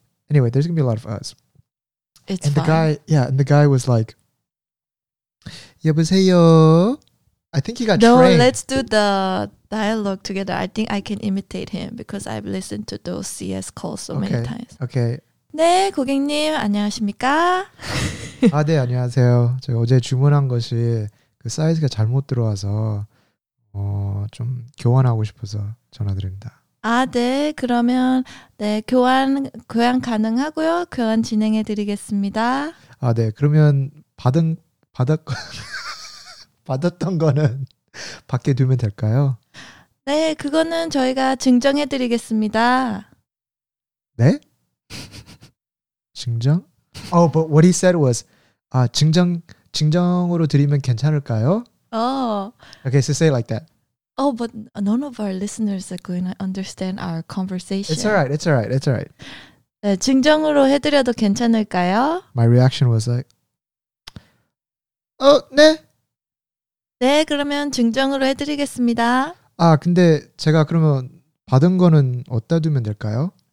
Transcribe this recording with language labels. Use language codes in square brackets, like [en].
[en] Anyway, there's going to be a lot of us. It's fine. And the guy was like, "Yabuseyo." I think he got trained. No, let's do the dialogue together. I think I can imitate him because I've listened to those CS calls many times. Okay. [ko] 네, 고객님, 안녕하십니까? 아, 네, 안녕하세요. 제가 어제 주문한 것이 그 사이즈가 잘못 들어와서 좀 교환하고 싶어서 전화드립니다. 아, 네, 그러면 네, 교환 가능하고요. 교환 진행해 드리겠습니다. 아, 네, 그러면 받았던 거는 밖에 두면 될까요? 네, 그거는 저희가 증정해 드리겠습니다. 네? 증정? [en] Oh, but what he said was, [ko] 아, 증정으로 드리면 괜찮을까요? [en] Oh. Okay, so say it like that. Oh, but none of our listeners are going to understand our conversation. It's all right, it's all right, it's all right. [ko] 네, 증정으로 해드려도 괜찮을까요? [en] My reaction was like, [ko] 어, 네. 네, 그러면 증정으로 해드리겠습니다. 아, 근데 제가 그러면 받은 거는 어디다 두면 될까요?